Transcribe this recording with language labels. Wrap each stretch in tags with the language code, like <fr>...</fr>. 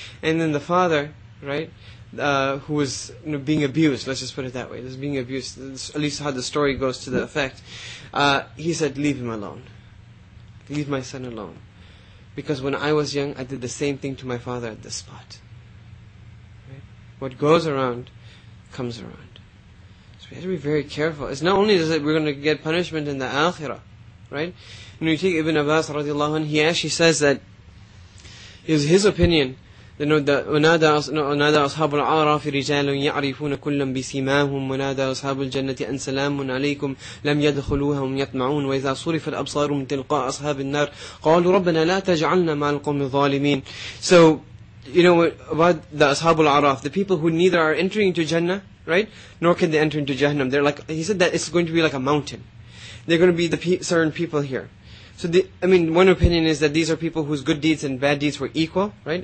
<en>And then the father, right, who was, you know, being abused, let's just put it that way, this being abused, this, at least how the story goes to the effect, he said, "Leave him alone. Leave my son alone. Because when I was young, I did the same thing to my father at this spot." Right? What goes around, comes around. So we have to be very careful. It's not only that we're going to get punishment in the Akhirah, right? When you take Ibn Abbas radiallahu anhu, he actually says that it was his opinion that</en> <ar>أُنَادَى أَصْحَابُ الْعَرَافِ رِجَالٌ يَعْرِفُونَ كُلًّا بِسِيمَاهُمْ وَنَادَى أَصْحَابُ الْجَنَّةِ أَنْ سَلَامٌ عَلَيْكُمْ لَمْ يَدْخُلُوهَا هُمْ يَطْمَعُونَ وَإِذَا صُرِفَ الْأَبْصَارُ مِنْ تِلْقَاءَ أَصْحَابِ النَّارِ قَالُوا رَبَّنَا لَا تَجْعَلْنَا مَعَ الْقَوْمِ الظَّالِمِينَ.</ar> <en>So, you know about the أصحاب العراف, the people who neither are entering into Jannah, right, nor can they enter into Jahannam. They're like, he said that it's going to be like a mountain. They're going to be the certain people here. So, one opinion is that these are people whose good deeds and bad deeds were equal, right?</en>